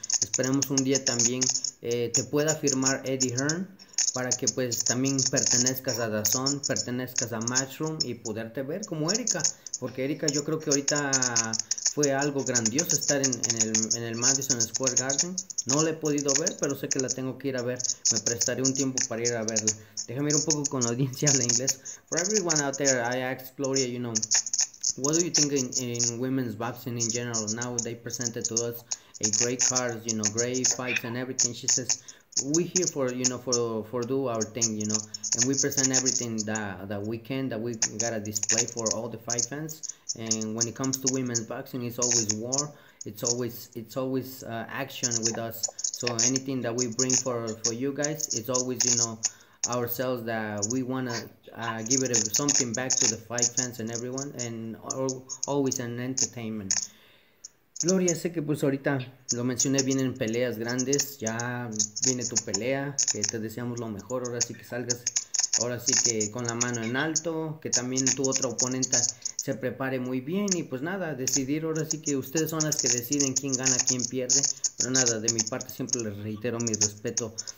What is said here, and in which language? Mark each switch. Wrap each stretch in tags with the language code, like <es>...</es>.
<es>Esperemos un día también te pueda firmar Eddie Hearn para que pues también pertenezcas a DAZN, pertenezcas a Matchroom y poderte ver como Erika, porque Erika yo creo que ahorita fue algo grandioso estar en el Madison Square Garden. No la he podido ver, pero sé que la tengo que ir a ver. Me prestaré un tiempo para ir a verla. Déjame ir un poco con la audiencia habla inglés.</es> <en>For everyone out there, I ask Gloria, what do you think in women's boxing in general? Now they presented to us a great cards, great fights and everything. She says, we here for for do our thing, and we present everything that we can, that we gotta display for all the fight fans. And when it comes to women's boxing, it's always war. It's always action with us. So anything that we bring for you guys, it's always ourselves that we wanna give it something back to the fight fans and everyone, and always an entertainment.</en> <es>Gloria, sé que pues ahorita lo mencioné, vienen peleas grandes, ya viene tu pelea, que te deseamos lo mejor, ahora sí que salgas, ahora sí que con la mano en alto, que también tu otra oponente se prepare muy bien y pues nada, decidir ahora sí que ustedes son las que deciden quién gana, quién pierde, pero nada, de mi parte siempre les reitero mi respeto</es>